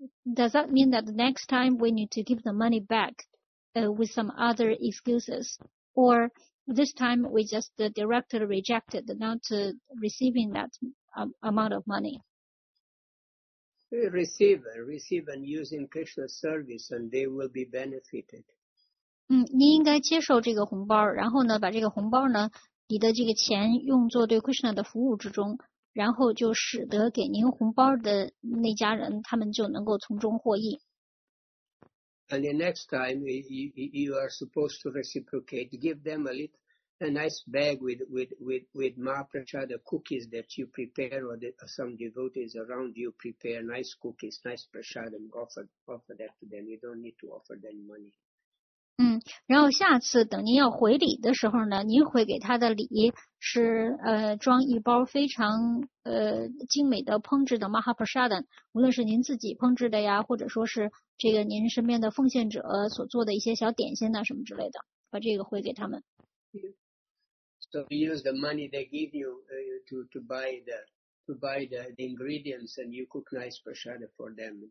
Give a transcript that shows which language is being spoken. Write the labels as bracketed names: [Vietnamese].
[English] Does that mean that the next time we need to give the money back? With some other excuses, or this time we just the director rejected not receiving that amount of money. Receive and use in Krishna's service and they will be benefited. [Chinese] 你应该接受这个红包，然后呢把这个红包呢你的这个钱用作对 Krishna 的服务之中，然后就使得给您红包的那家人他们就能够从中获益。 [English] And the next time you are supposed to reciprocate, give them a little, a nice bag with Mahaprasada cookies that you prepare, or that some devotees around you prepare nice cookies, nice prasadam, offer that to them. You don't need to offer them money. [Chinese] 然后下次等您要回礼的时候呢，您回给他的礼是装一包非常精美的烹制的 Mahaprasada， 无论是您自己烹制的呀，或者说是这个您身边的奉献者所做的一些小点心啊什么之类的，把这个回给他们。 [English] So you use the money they give you to buy the ingredients and you cook nice prasada for them.